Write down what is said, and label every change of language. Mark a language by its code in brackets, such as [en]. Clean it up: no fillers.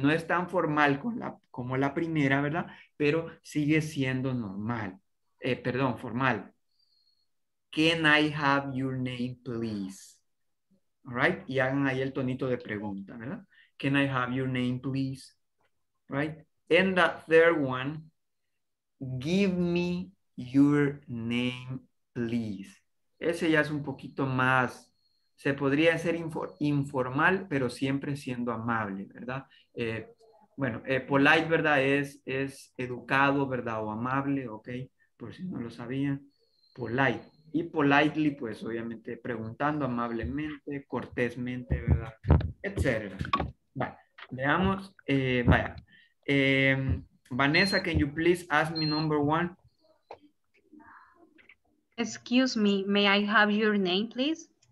[es] No es tan formal como la primera, ¿verdad? Pero sigue siendo normal. Perdón, formal. [en] Can I have your name, please? All right? [es] Y hagan ahí el tonito de pregunta, ¿verdad? [en] Can I have your name, please? Right? And the third one, give me your name, please. [es] Ese ya es un poquito más, se podría hacer informal, pero siempre siendo amable, ¿verdad? Polite, ¿verdad? Es educado, ¿verdad? O amable, ¿ok? Por si no lo sabían. Polite. Y politely, pues obviamente preguntando amablemente, cortésmente, ¿verdad? Etcétera. Vale, veamos, vaya. [en] Vanessa, can you please ask me number one? Excuse me, may I have your name, please?